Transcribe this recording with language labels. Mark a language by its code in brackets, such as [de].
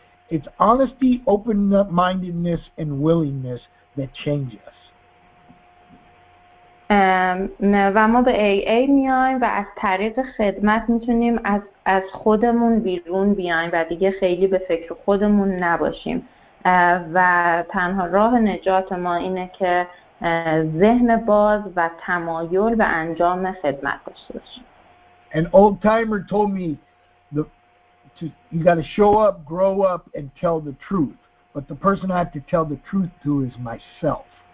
[en] It's honesty, open-mindedness, and willingness that change us. [fa] و ما به AA میایم و از طریق خدمت میتونیم از خودمون بیرون بیایم و دیگه خیلی به فکر خودمون نباشیم و تنها راه نجات ما اینه که ذهن باز و تمایل به انجام خدمت داشته باشیم. [en] An old timer told me you got to show up, grow up and tell the truth, but the person I have to tell the truth to is myself.